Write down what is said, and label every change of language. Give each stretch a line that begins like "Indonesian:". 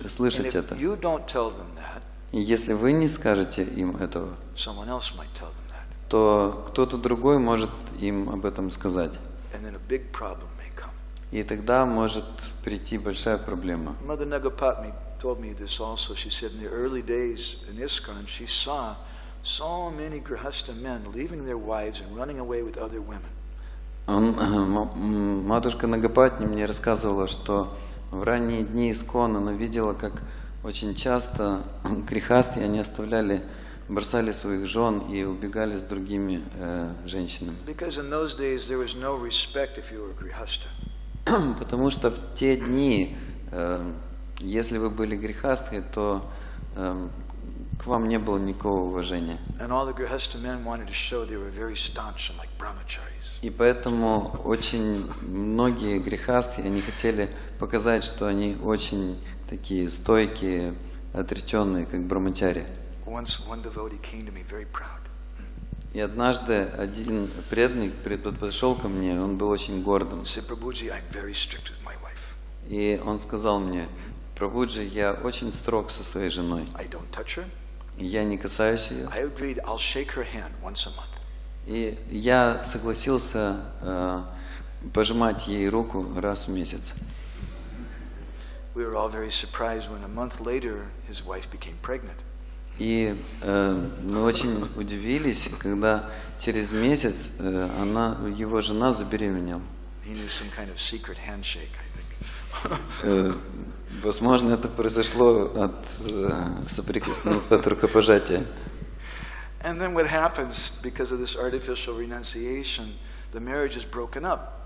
English: And if
Russian: это.
English: You don't tell them that,
Russian: и если вы не скажете им этого,
English: someone else might tell them that.
Russian: То кто-то другой может им об этом сказать.
English: And then a big problem may come.
Russian: И тогда может прийти большая проблема.
English: Mother Nagapatmi told me this also. She said in the early days in ISKCON, she saw so many grihastha men leaving their wives and running away with other women.
Russian: Матушка Нагапатни мне рассказывала, что в ранние дни ИСККОН она видела, как очень часто грихасты, они оставляли, бросали своих жен и убегали с другими женщинами.
English: Because in those days there was no respect if you were a grihastha.
Russian: Потому что в те дни, если вы были грихастхой, то к вам не было никакого уважения.
English: And all the grihastha men wanted to show they were very staunch and like brahmacharis.
Russian: И поэтому очень многие грихастхи, они хотели показать, что они очень такие стойкие, отреченные, как брахмачари.
English: Once one devotee came to me very proud.
Russian: И однажды один преданный подошел ко мне, он был очень гордым.
English: Prabhuji, I'm very strict with my wife.
Russian: И он сказал мне: Прабуджи, я очень строг со своей женой.
English: I don't touch her.
Russian: Я не касаюсь ее.
English: I agreed, I'll shake her hand once a month.
Russian: И я согласился пожимать ей руку раз в месяц.
English: We were all very surprised when a month later his wife became pregnant.
Russian: И мы очень удивились, когда через месяц его жена забеременела.
English: He knew some kind of secret handshake, I think.
Russian: Возможно, это произошло от от рукопожатия.
English: And then what happens, because of this artificial renunciation, the marriage is broken up.